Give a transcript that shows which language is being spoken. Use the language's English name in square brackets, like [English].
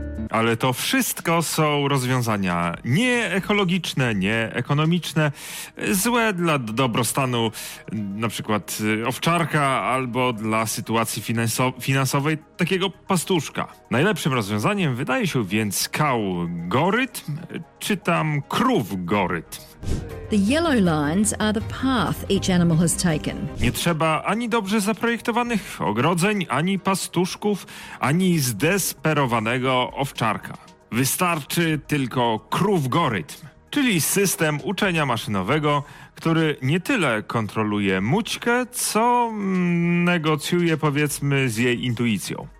[Polish] Ale to wszystko są rozwiązania nieekologiczne, nieekonomiczne, złe dla dobrostanu na przykład owczarka albo dla sytuacji finansowej takiego pastuszka. Najlepszym rozwiązaniem wydaje się więc kałgorytm, czy tam krówgorytm. [English] The yellow lines are the path each animal has taken. [Polish] Nie trzeba ani dobrze zaprojektowanych ogrodzeń, ani pastuszków, ani zdesperowanego owczarka. Wystarczy tylko krówgorytm, czyli system uczenia maszynowego, który nie tyle kontroluje mućkę, co negocjuje powiedzmy z jej intuicją.